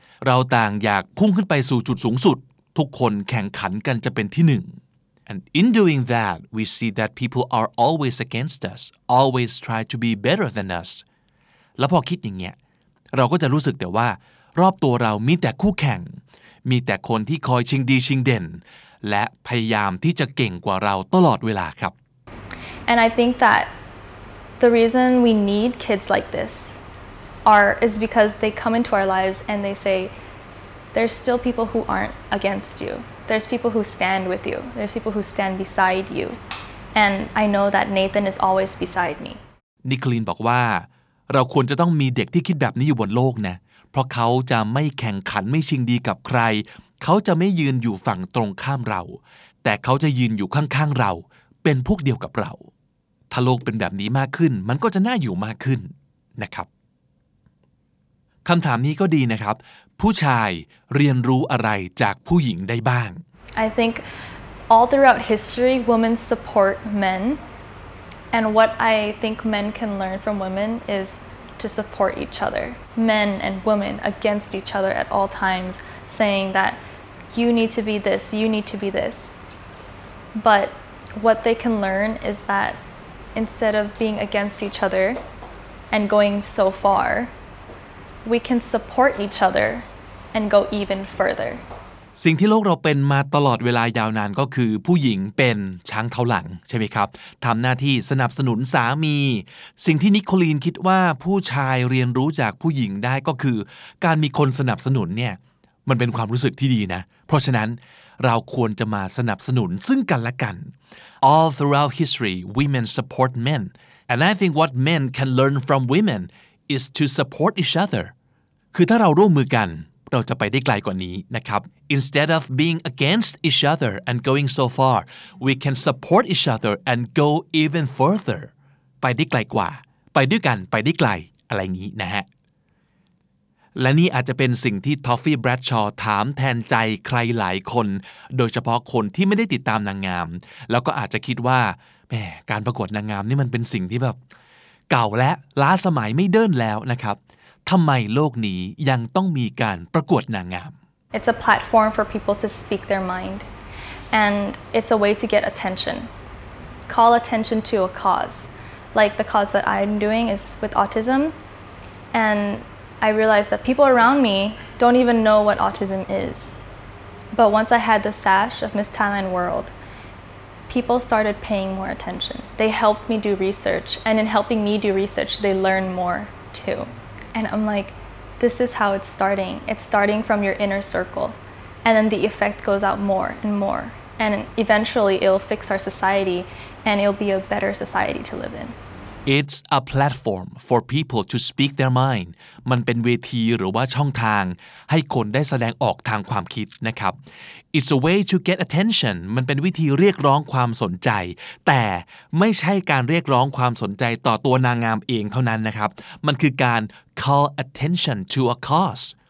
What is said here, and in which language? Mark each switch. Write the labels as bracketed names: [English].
[Thai] เราต่างอยากพุ่งขึ้นไปสู่จุดสูงสุดทุกคนแข่งขันกันจะเป็นที่หนึ่ง [English] And in doing that, we see that people are always against us, always try to be better than us. [Thai] แล้วพอคิดอย่างเงี้ยเราก็จะรู้สึกแต่ว่ารอบตัวเรามีแต่คู่แข่งมีแต่คนที่คอยชิงดีชิงเด่นและพยายามที่จะเก่งกว่าเราตลอดเวลาครับ [English] And I think that the reason we need kids like thisis because they come into our lives and they say there's still people who aren't against you there's people who stand with you there's people who stand beside you and I know that Nathan is always beside me [Thai] นิโคลีนบอกว่าเราควรจะต้องมีเด็กที่คิดแบบนี้อยู่บนโลกนะเพราะเขาจะไม่แข่งขันไม่ชิงดีกับใครเขาจะไม่ยืนอยู่ฝั่งตรงข้ามเราแต่เขาจะยืนอยู่ข้างๆเราเป็นพวกเดียวกับเราถ้าโลกเป็นแบบนี้มากขึ้นมันก็จะน่าอยู่มากขึ้นนะครับคำถามนี้ก็ดีนะครับผู้ชายเรียนรู้อะไรจากผู้หญิงได้บ้าง [English] I think all throughout history women support men and what I think men can learn from women is to support each other men and women against each other at all times saying that you need to be this you need to be this but what they can learn is that instead of being against each other and going so farWe can support each other and go even further. [Thai] สิ่งที่โลกเราเป็นมาตลอดเวลายาวนานก็คือผู้หญิงเป็นช้างเท้าหลังใช่ไหมครับทำหน้าที่สนับสนุนสามีสิ่งที่นิโคลีนคิดว่าผู้ชายเรียนรู้จากผู้หญิงได้ก็คือการมีคนสนับสนุนเนี่ยมันเป็นความรู้สึกที่ดีนะเพราะฉะนั้นเราควรจะมาสนับสนุนซึ่งกันและกัน [English] All throughout history, women support men. And I think what men can learn from women is to support each other. [Thai] คือถ้าเราร่วมมือกันเราจะไปได้ไกลกว่านี้นะครับ [English] Instead of being against each other and going so far we can support each other and go even further [Thai] ไปได้ไกลกว่าไปด้วยกันไปได้ไกลอะไรงี้นะฮะ และนี่อาจจะเป็นสิ่งที่ทอฟฟี่แบรดชอว์ถามแทนใจใครหลายคนโดยเฉพาะคนที่ไม่ได้ติดตามนางงามแล้วก็อาจจะคิดว่าแหมการประกวดนางงามนี่มันเป็นสิ่งที่แบบเก่าและล้าสมัยไม่เดินแล้วนะครับทำไมโลกนี้ยังต้องมีการประกวดนางงาม [English] It's a platform for people to speak their mind and it's a way to get attention call attention to a cause like the cause that I'm doing is with autism and I realized that people around me don't even know what autism is but once I had the sash of Miss Thailand World people started paying more attention they helped me do research and in helping me do research they learned more tooAnd I'm like, this is how it's starting. It's starting from your inner circle. And then the effect goes out more and more. And eventually it'll fix our society and it'll be a better society to live in. It's a platform for people to speak their mind. [Thai] มันเป็นเวทีหรือว่าช่องทางให้คนได้แสดงออกทางความคิดนะครับ [English] It's a way to get attention. [Thai] มันเป็นวิธีเรียกร้องความสนใจแต่ไม่ใช่การเรียกร้องความสนใจต่อตัวนางงามเองเท่านั้นนะครับมันคือการ [English] call attention to a cause